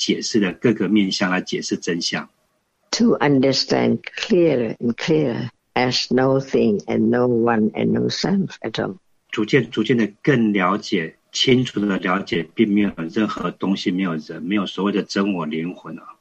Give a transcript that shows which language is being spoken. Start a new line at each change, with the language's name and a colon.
Chinese: 那么每个人都可以从佛陀的教导其实是受益的，因为佛陀解释了各个面向来解释真相。
English: To understand clearer and clearer as no thing and no one and no self at all.
Chinese: 逐渐逐渐的更了解，清楚的了解，并没有任何东西，没有人，没有所谓的真我灵魂啊。